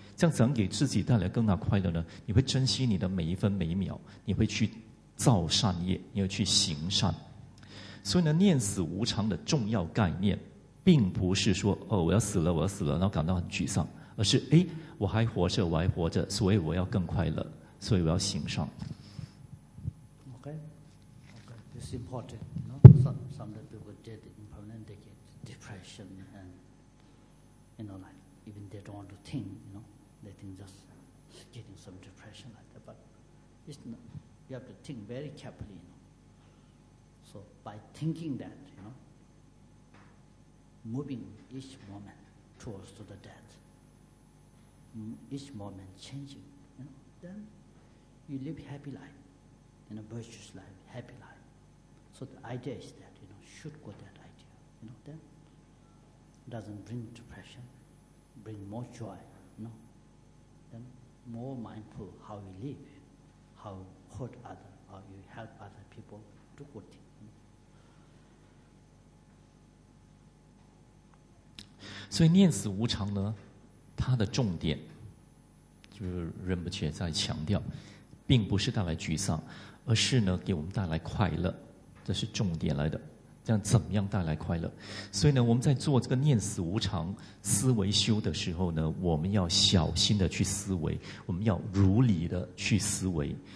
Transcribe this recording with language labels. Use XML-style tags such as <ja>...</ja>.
<zh>这样怎样给自己带来更大快乐呢？你会珍惜你的每一分每一秒，你会去造善业，你会去行善。所以呢，念死无常的重要概念并不是说哦，我要死了我要死了然后感到很沮丧，而是哎，我还活着我还活着，所以我要更快乐，所以我要行善。</zh> <en>Okay, this is important, you know? Some people get permanent depression and, you know, like, even they don't want to think, you know, they think just getting some depression like that, but it's not, you have to think very carefully, you know? So by thinking that, you know, moving each moment towards to the death, each moment changing, you know, then you live happy life, in a virtuous life, happy life. So the idea is that, you know, should go that idea, you know, then doesn't bring depression, bring more joy, you know, then more mindful how you live, how you hurt other, how you help other people do good things.</en> <zh>So, 念死无常呢，它的重点就是仁波切在强调，并不是带来沮丧，而是呢给我们带来快乐，这是重点来的。这样怎么样带来快乐？所以呢，我们在做这个念死无常思维修的时候呢，我们要小心的去思维，我们要如理的去思维。</zh>